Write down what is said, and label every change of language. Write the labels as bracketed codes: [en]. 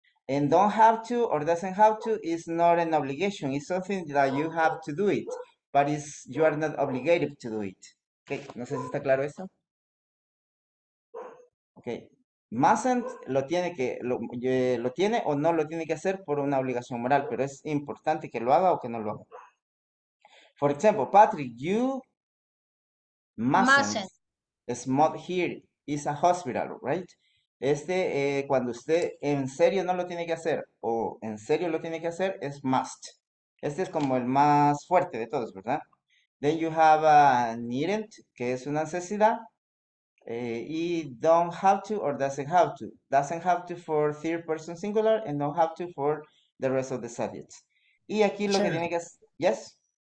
[en] And don't have to or doesn't have to is not an obligation. It's something that you have to do it, but it's, you are not obligated to do it. [es] Okay, no sé si está claro eso. [en] Okay. [es] Mustn't lo tiene o no lo tiene que hacer por una obligación moral, pero es importante que lo haga o que no lo haga. [en] For example, Patrick, you mustn't smoke here. It's a hospital, right? [es] Cuando usted en serio no lo tiene que hacer o en serio lo tiene que hacer, es must. Este es como el más fuerte de todos, ¿verdad? [en] Then you have a needn't, [es] que es una necesidad. [en] Y don't have to or doesn't have to. Doesn't have to for third person singular and don't have to for the rest of the subjects. [es] Y aquí lo sure. Que tiene que hacer, yes?